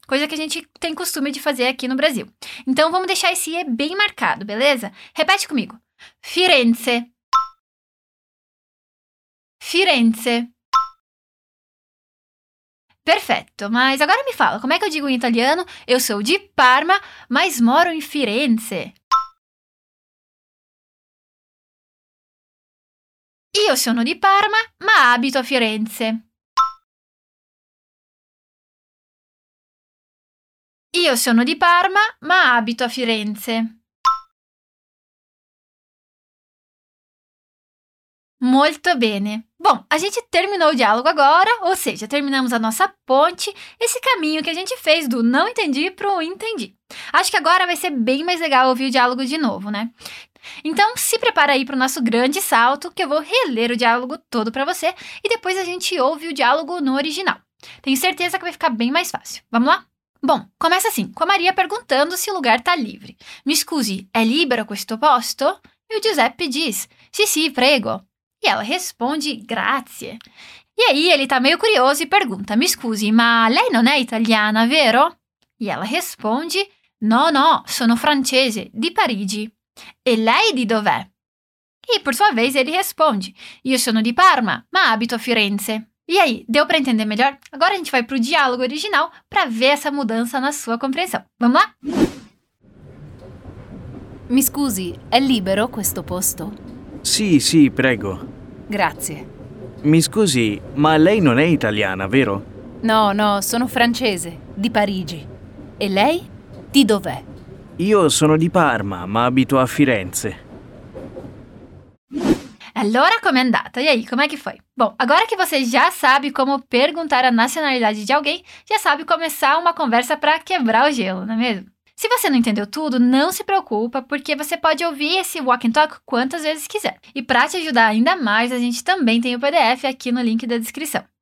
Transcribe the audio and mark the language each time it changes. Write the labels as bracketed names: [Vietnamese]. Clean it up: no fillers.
[Portuguese] Coisa que a gente tem costume de fazer aqui no Brasil. Então, vamos deixar esse E bem marcado, beleza? Repete comigo. Firenze. [Italian] Firenze. [Portuguese] Perfeito, mas agora me fala, como é que eu digo em italiano? Eu sou de Parma, mas moro em Firenze. [Italian] Io sono di Parma, ma abito a Firenze. Io sono di Parma, ma abito a Firenze. Molto bene. [Portuguese] Bom, a gente terminou o diálogo agora, ou seja, terminamos a nossa ponte, esse caminho que a gente fez do não entendi para o entendi. Acho que agora vai ser bem mais legal ouvir o diálogo de novo, né? Então, se prepara aí para o nosso grande salto, que eu vou reler o diálogo todo para você e depois a gente ouve o diálogo no original. Tenho certeza que vai ficar bem mais fácil. Vamos lá? Bom, começa assim, com a Maria perguntando se o lugar está livre. [Italian] Mi scusi, è libero questo posto? [Portuguese] E o Giuseppe diz, [Italian] sì, sì, prego. [Portuguese] E ela responde, [Italian] grazie. [Portuguese] E aí ele tá meio curioso e pergunta, [Italian] mi scusi, ma lei non è italiana, vero? [Portuguese] E ela responde, [Italian] No, no, sono francese, di Parigi. E lei di dov'è? [Portuguese] E per sua vez ele responde: [Italian] Io sono di Parma, ma abito a Firenze. [Portuguese] E aí, deu para entender melhor? Agora a gente vai pro diálogo original para ver essa mudança na sua compreensão. Vamos lá? [Italian] Mi scusi, è libero questo posto? Sì, sì, prego. Grazie. Mi scusi, ma lei non è italiana, vero? No, no, sono francese, di Parigi. E lei? Di dov'è? Io sono di Parma, ma abito a Firenze. Allora, com'è andata? [Portuguese] E aí, com'è che foi? Bom, agora que você já sabe como perguntar a nacionalidade de alguém, já sabe começar uma conversa para quebrar o gelo, não é mesmo? Se você não entendeu tudo, não se preocupa, porque você pode ouvir esse Walk and Talk quantas vezes quiser. E para te ajudar ainda mais, a gente também tem o PDF aqui no link da descrição.